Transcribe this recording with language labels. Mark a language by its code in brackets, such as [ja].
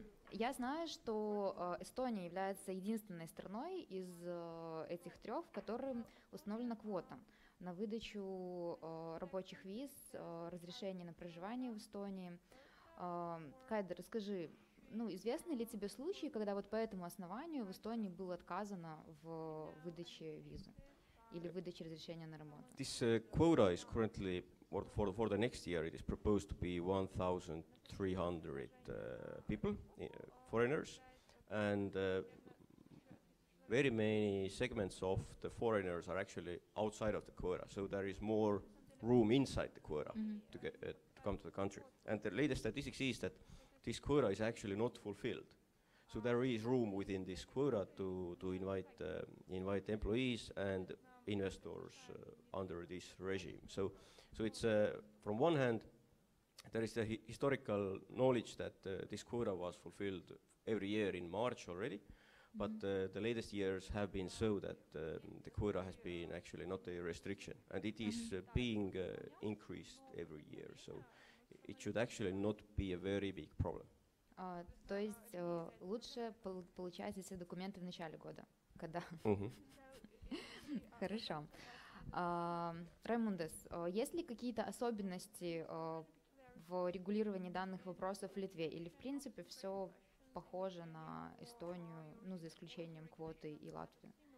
[ru] Я знаю, что Эстония является единственной страной из этих трех, в которой установлена квота на выдачу рабочих виз, разрешение на проживание в Эстонии. Кайда, расскажи, ну, известны ли тебе случаи, когда вот по этому основанию в Эстонии было отказано в выдаче визы или выдаче разрешения на работу? [en] This quota is currently for the next year. It is proposed to be 1,300 people, foreigners, and very many segments of the foreigners are actually outside of the quota. So there is more room inside the quota to come to the country. And the latest statistics is that this quota is actually not fulfilled. So there is room within this quota to invite employees and investors under this regime. So it's from one hand, there is the historical knowledge that this quota was fulfilled every year in March already, but the latest years have been so that the quota has been actually not a restriction, and it is being increased every year. So it should actually not be a very big problem. [ru] То есть лучше получать эти документы в начале года, когда. Хорошо. Раймундес, есть ли какие-то особенности в регулировании данных вопросов в Литве? Или, в принципе, все похоже на Эстонию, ну, за исключением квоты и Латвии?